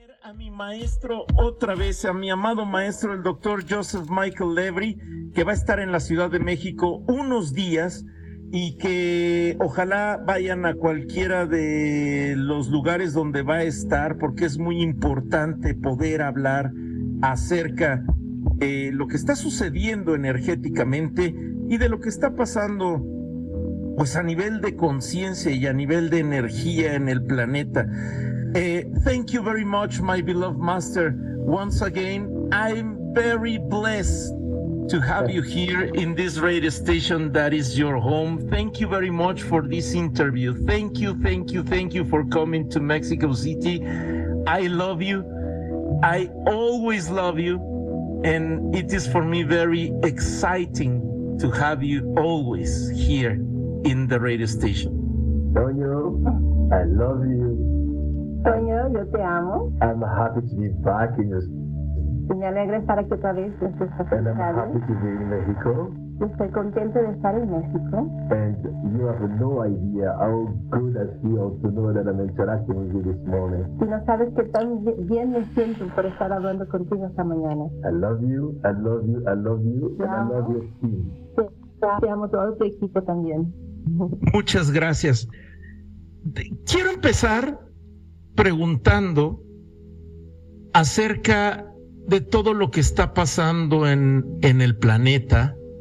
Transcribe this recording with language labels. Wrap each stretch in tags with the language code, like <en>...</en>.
<es>a mi maestro otra vez, a mi amado maestro, el doctor Joseph Michael Levry, que va a estar en la Ciudad de México unos días y que ojalá vayan a cualquiera de los lugares donde va a estar, porque es muy importante poder hablar acerca de lo que está sucediendo energéticamente y de lo que está pasando pues a nivel de conciencia y a nivel de energía en el planeta.</es> <en>Thank you very much, my beloved master. Once again, I'm very blessed to have you here in this radio station that is your home. Thank you very much for this interview. Thank you, thank you, thank you for coming to Mexico City. I love you. I always love you. And it is for me very exciting to have you always here in the radio station. Toño, I love you.</en> <es>Toño, yo te amo.</es> <en>I'm happy to be back in your...</en> <es>Me alegra estar aquí otra vez.</es> <en>And I'm happy to be in Mexico.</en> <es>Estoy contento de estar en México.</es> <en>And you have no idea how good I feel to know that I'm interacting with you this morning.</en> <es>Y no sabes qué tan bien me siento por estar hablando contigo esta mañana.</es> <en>I love you, I love you, I love you, and I love your team.</en> <es>Te amo todo tu equipo también. Muchas gracias. Quiero empezar preguntando acerca de todo lo que está pasando en el planeta.</es>